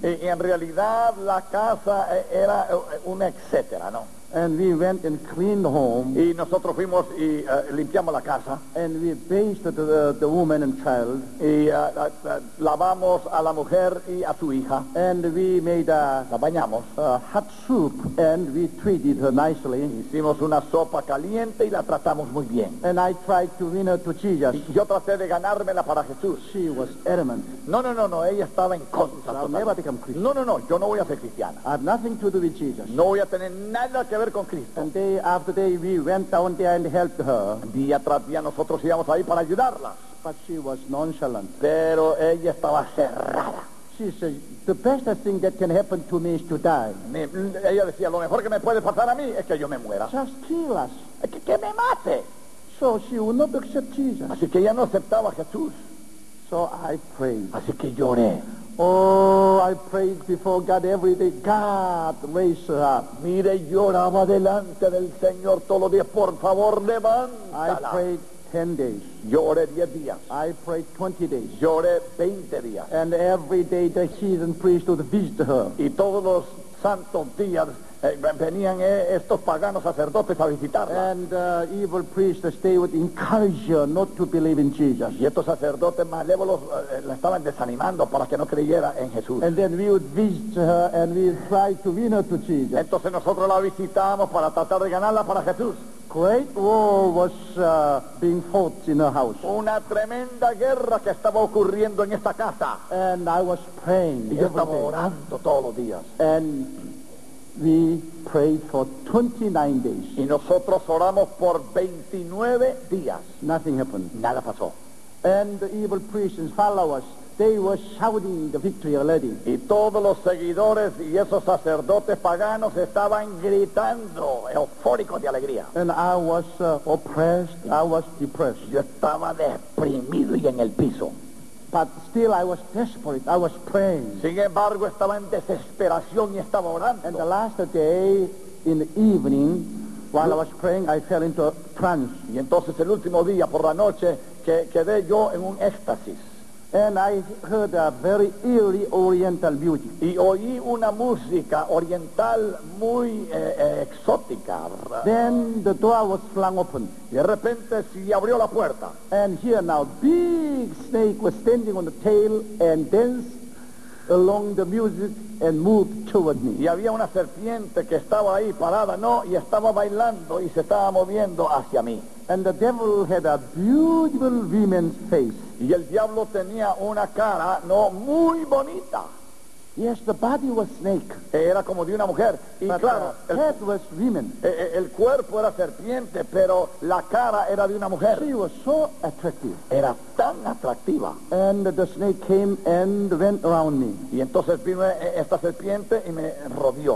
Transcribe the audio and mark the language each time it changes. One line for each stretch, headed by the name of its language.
Spanish: Y en realidad la casa era un etcétera, ¿no?
English: And we went and cleaned the home.
Spanish: Y nosotros fuimos y limpiamos la casa.
English: And we bathed the woman and child.
Spanish: Y lavamos a la mujer y a su hija.
English: And we made
Spanish: la bañamos.
English: A hot soup and we treated her nicely.
Spanish: Hicimos una sopa caliente y la tratamos muy bien.
English: And I tried to win her to Jesus.
Spanish: Y yo traté de ganármela para Jesús.
English: She was adamant.
Spanish: No, ella estaba en contra.
English: I'll never become Christian.
Spanish: No, yo no voy a ser cristiana.
English: I have nothing to do with Jesus.
Spanish: No voy a tener nada que ver con Cristo.
English: And day after day we went down there and helped her.
Spanish: Día tras día nosotros íbamos ahí para ayudarla.
English: But she was nonchalant.
Spanish: Pero ella estaba cerrada.
English: She said, the best thing that can happen to me is to die.
Spanish: Ella decía, lo mejor que me puede pasar a mí es que yo me muera.
English: Just kill us.
Spanish: Que me mate.
English: So she would not accept Jesus.
Spanish: Así que ella no aceptaba a Jesús.
English: So I prayed.
Spanish: Así que lloré.
English: Oh, I prayed before God every day. God, raise her up.
Spanish: Mire, lloraba delante del Señor todos los días. Por favor, levántala.
English: I prayed 10 days.
Spanish: Yo oré 10 días.
English: I prayed 20 days.
Spanish: Yo oré 20 días.
English: And every day the heathen priest would visit her.
Spanish: Y todos los santos días venían estos paganos sacerdotes a visitarla.
English: And evil priests, they would encourage her not to believe in Jesus.
Spanish: Y estos sacerdotes malévolos la estaban desanimando para que no creyera en Jesús.
English: And then we would visit her and we would try to win her to Jesus.
Spanish: Entonces nosotros la visitamos para tratar de ganarla para Jesús.
English: Great war was being fought in her house.
Spanish: Una tremenda guerra que estaba ocurriendo en esta casa.
English: And I was praying.
Spanish: Y yo estaba orando todos los días.
English: And we prayed for 29 days.
Spanish: Y nosotros oramos por 29 días.
English: Nothing happened.
Spanish: Nada pasó.
English: And the evil priests follow us. They were shouting the victory already.
Spanish: Y todos los seguidores y esos sacerdotes paganos estaban gritando, eufóricos de alegría.
English: And I was oppressed, I was depressed.
Spanish: Yo estaba deprimido y en el piso.
English: But still I was desperate, I was praying.
Spanish: Sin embargo, estaba en desesperación y estaba orando.
English: And the last day, in the evening, while I was praying, I fell into a trance.
Spanish: Y entonces el último día, por la noche, quedé yo en un éxtasis.
English: And I heard a very eerie oriental music.
Spanish: Y oí una música oriental muy exótica.
English: Then the door was flung open.
Spanish: Y de repente se abrió la puerta.
English: And here now, big snake was standing on the tail and danced along the music and moved toward me.
Spanish: Y había una serpiente que estaba ahí parada, ¿no? Y estaba bailando y se estaba moviendo hacia mí.
English: And the devil had a beautiful woman's face.
Spanish: Y el diablo tenía una cara, no, muy bonita.
English: Yes, the body was snake.
Spanish: Era como de una mujer. Y
English: but
Spanish: claro,
English: the head was woman.
Spanish: El cuerpo era serpiente, pero la cara era de una mujer.
English: She was so attractive.
Spanish: Era tan atractiva.
English: And the snake came and went around me.
Spanish: Y entonces vino esta serpiente y me rodeó.